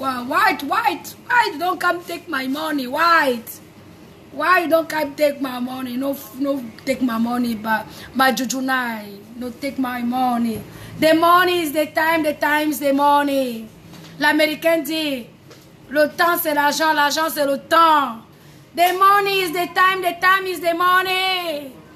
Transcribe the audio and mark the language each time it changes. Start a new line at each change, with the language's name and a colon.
English: Why don't come take my money? Why don't come take my money? No, take my money, but my juju nai. No, take my money. The money is the time is the money.
French: L'Américain dit, le temps c'est l'argent, l'argent c'est le temps.
English: The money is the time is the money.